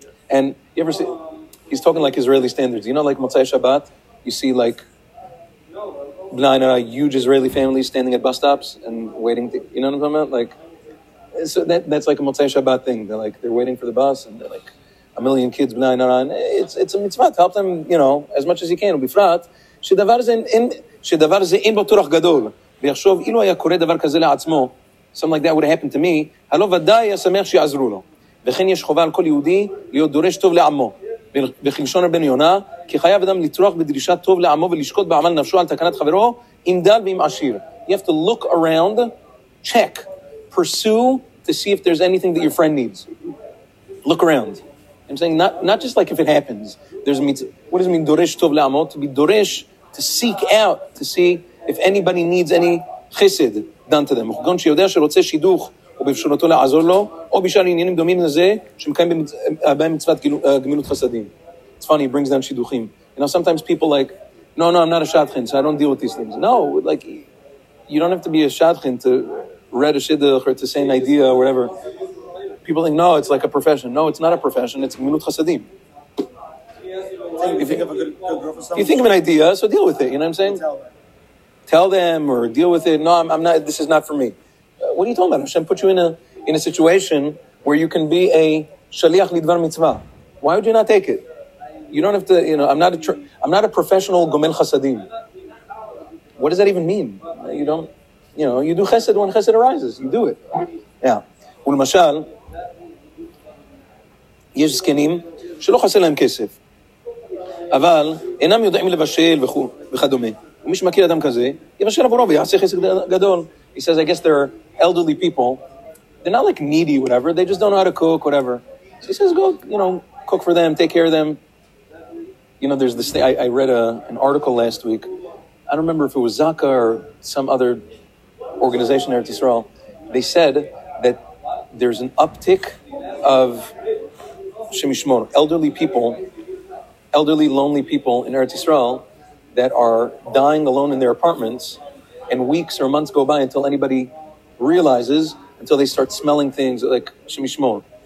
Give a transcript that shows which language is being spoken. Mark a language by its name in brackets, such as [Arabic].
[English] And you ever see, he's talking like Israeli standards. You know, like Motzei Shabbat, you see like a huge Israeli family standing at bus stops and waiting to, you know what I'm talking about? Like, so that's like a Motzei Shabbat thing. They're like, they're waiting for the bus and they're like a million kids, and it's a mitzvah to help them, you know, as much as you can. [Hebrew] ובפרט, שדבר זה אין בו תורך גדול. ויחשוב, אילו היה קורה דבר כזה לעצמו, [English] something like that would have happened to me, [Hebrew] הלא ודאי ישמח שיעזרו לו. וכן יש חובה על כל יהודי להיות דורש טוב לעמו. בכלשון רבנו יונה, כי חייב אדם לתרוח בדרישת טוב לעמו ולשקוט בעמל נפשו על תקנת חברו, עם דל ועם עשיר. [English] You have to look around, check, pursue to see if there's anything that your friend needs. Look around. I'm saying not just like if it happens. There's what does it mean [Hebrew] דורש טוב לעמו? [English] To be דורש, to seek out, to see if anybody needs any חסד done to them. [Hebrew] וכגון שיודע שרוצה שידוך, ובאפשרותו לעזור לו, או בשאר עניינים דומים לזה, שמקיים בהם מצוות גמילות חסדים. [English] It's funny, it brings down שידוכים. You know, sometimes people like, no, I'm not a shadchan, so I don't deal with these things. No, like, you don't have to be a shadchan to read a shidduch, or to say an idea, or whatever. People think, no, it's like a profession. No, it's not a profession, it's gemilut chasadim. If you think of an idea, so deal with it, you know what I'm saying? Tell them, or deal with it. No, I'm not, this is not for me. What are you talking about? Hashem put you in a situation where you can be a shaliach lidvar mitzvah. Why would you not take it? You don't have to, you know, I'm not a professional gomel chasadim. What does that even mean? You don't, you know, you do chesed when chesed arises. You do it. Yeah. [Hebrew] ולמשל, יש זקנים שלא חסר להם כסף, אבל אינם יודעים לבשל וכדומה. ומי שמכיר אדם כזה, יבשל עבורו ויעשה חסד גדול. [English] He says, I guess there are elderly people, they're not like needy, whatever, they just don't know how to cook, whatever. So he says, go, you know, cook for them, take care of them. You know, there's this thing, I read an article last week, I don't remember if it was Zaka or some other organization there at Yisrael, they said that there's an uptick of Shemishmor, elderly, lonely people in Eretz Yisrael that are dying alone in their apartments, and weeks or months go by until anybody realizes, until they start smelling things like shemishmor.